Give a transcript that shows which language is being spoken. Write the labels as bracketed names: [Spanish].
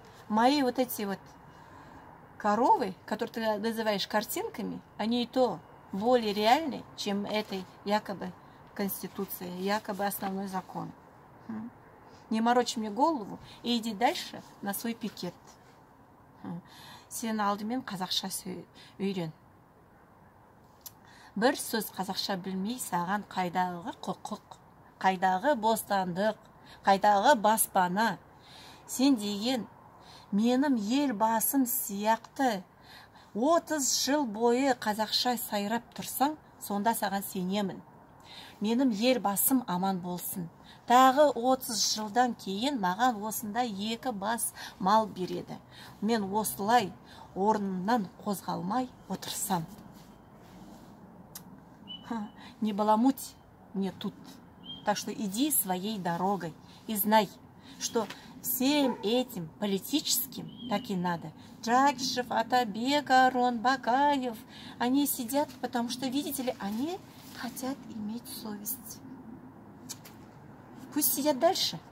[Russian] Мои вот эти вот коровы, которые ты называешь картинками, они и то более реальны, чем этой якобы конституция, якобы основной закон. Не морочь мне голову и иди дальше на свой пикет. [Kazakh] Сен алдымен қазақша үйрен. Бір сөз қазақша білмей саған қайдағы құқық, қайдағы бостандық, қайдағы баспана. Сен деген менің ел басым сияқты 30 жыл бойы қазақша сайрап тұрсаң, сонда саған сенемін. Менің ел басым аман болсын. Тағы 30 жылдан кейін маған осында екі бас мал береді. Мен осылай орнынан қозғалмай отырсам. [Russian] Не баламуть мне тут. Так что иди своей дорогой и знай, что всем этим политическим так и надо. Джакишев, Атабек, Арон, Бакаев, они сидят, потому что, видите ли, они хотят иметь совесть. Пусть сидят дальше.